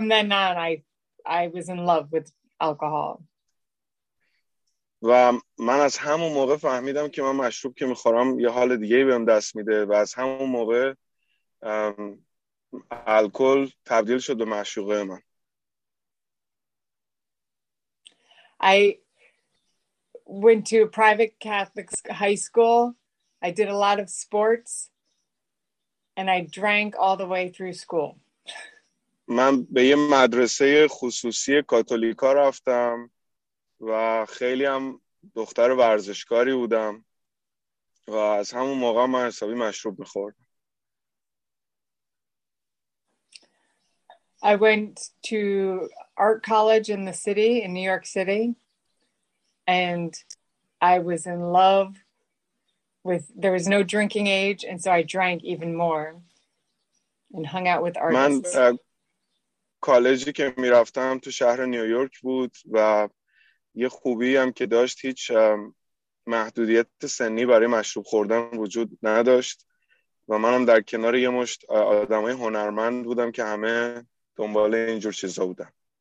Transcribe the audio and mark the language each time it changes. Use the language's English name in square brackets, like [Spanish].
[English] From then on I was in love with alcohol. [Persian] و من از همون موقع فهمیدم که من مشروب که می‌خورم یه حال دیگه‌ای بهم دست میده و از همون موقع الکل تبدیل شد به معشوقه من. [English] I went to a private Catholic high school. I did a lot of sports and I drank all the way through school. [Persian] من به یه مدرسه خصوصی کاتولیکا رفتم و خیلی هم دختر ورزشکاری بودم و از همون موقع من حسابی مشروب می‌خوردم. [English] I went to art college in the city in New York City. And I was in love with, there was no drinking age, and so I drank even more and hung out with artists. [Persian] من کالجی که می رفتم تو شهر نیویورک بود و یه خوبی هم که داشت هیچ محدودیت سنی برای مشروب خوردن وجود نداشت و منم در کنار یه مشت آدم های هنرمند بودم که همه دنبال اینجور چیزا بودم.